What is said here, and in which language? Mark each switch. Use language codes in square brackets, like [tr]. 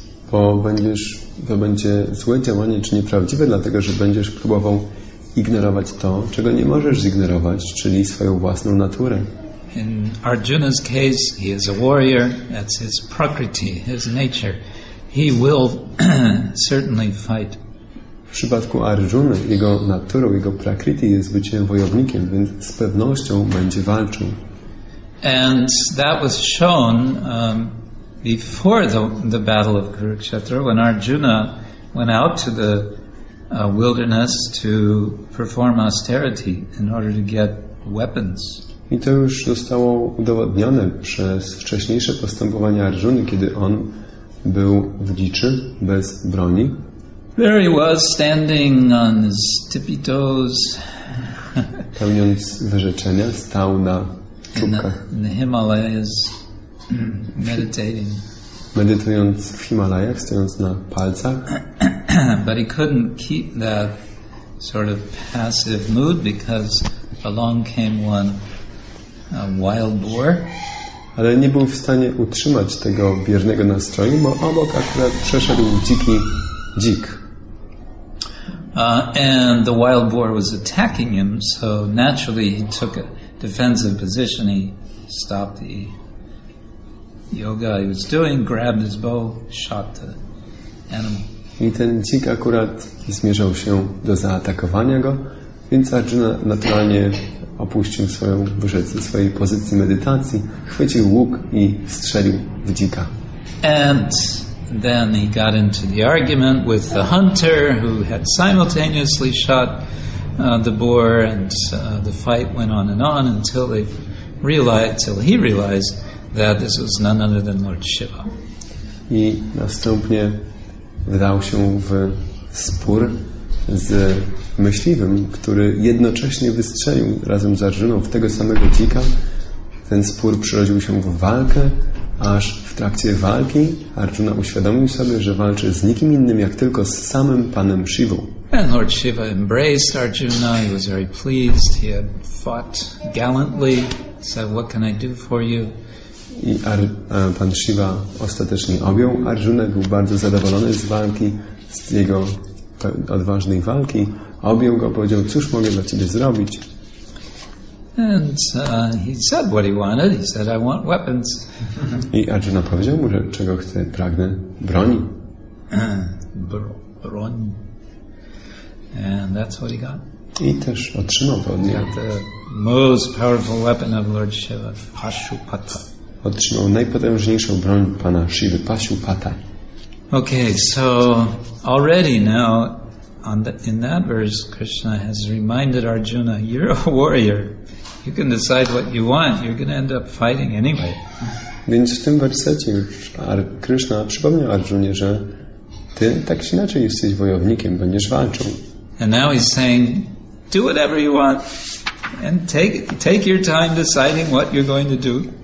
[pl] Bo będziesz, to będzie złe działanie, czy nieprawdziwe, dlatego że będziesz próbował ignorować to, czego nie możesz zignorować, czyli swoją własną naturę. [en] In Arjuna's case, he is a warrior. That's his prakriti, his nature. He will certainly fight. [pl] W przypadku Arjuna, jego naturą, jego prakriti jest bycie wojownikiem, więc z pewnością będzie walczył. [en] And that was shown before the battle of Kurukshetra, when Arjuna went out to the wilderness to perform austerity in order to get weapons. [pl] I to już zostało udowodnione przez wcześniejsze postępowanie Arjuny, kiedy on był w dziczy, bez broni. [en] There he was, standing on his tippy toes. [pl] Pełniąc wyrzeczenia, stał na czubkach. [en] In the Himalayas, meditating. [pl] Medytując w Himalajach, stojąc na palcach. [en] But he couldn't keep that sort of passive mood because along came one wild boar. [pl] Ale nie był w stanie utrzymać tego biernego nastroju, bo obok akurat przeszedł dziki dzik. [en] And the wild boar was attacking him, so naturally he took a defensive position. He stopped the yoga he was doing, grabbed his bow, shot the animal. [pl] I ten dzik akurat zmierzał się do zaatakowania go, więc Arjuna naturalnie opuścił swoją wyrzecę swojej pozycji medytacji, chwycił łuk i strzelił w dzika. [en] And then he got into the argument with the hunter who had simultaneously shot the boar, and the fight went on until he realized that this was none other than Lord Shiva. [pl] I następnie wdał się w spór z myśliwym, który jednocześnie wystrzelił razem z Arjuną w tego samego dzika. Ten spór przerodził się w walkę, aż w trakcie walki Arjuna uświadomił sobie, że walczy z nikim innym, jak tylko z samym Panem Shivą. [en] And Lord Shiva embraced Arjuna. He was very pleased. He had fought gallantly. He said, "What can I do for you?" [pl] I Pan Shiva ostatecznie objął Arjuna. Był bardzo zadowolony z walki, z jego odważnej walki. Objął go, powiedział, cóż mogę dla ciebie zrobić? [en] And he said what he wanted. He said, I want weapons. [pl] I Arjuna powiedział mu, że czego chce, pragnę broni. [en] Broń. And that's what he got. [pl] I też otrzymał to od niego. [en] He got the most powerful weapon of Lord Shiva, Pashupata. [pl] Otrzymał najpotężniejszą broń Pana Shivy, Pashupata. [en] Okay, so already now, in that verse, Krishna has reminded Arjuna, you're a warrior. You can decide what you want. You're going to end up fighting anyway. [pl] Więc w tym wersecie Krishna przypomniał Arjunie, że ty tak czy inaczej jesteś wojownikiem, będziesz walczył. [en] And now he's saying, do whatever you want and take your time deciding what you're going to do.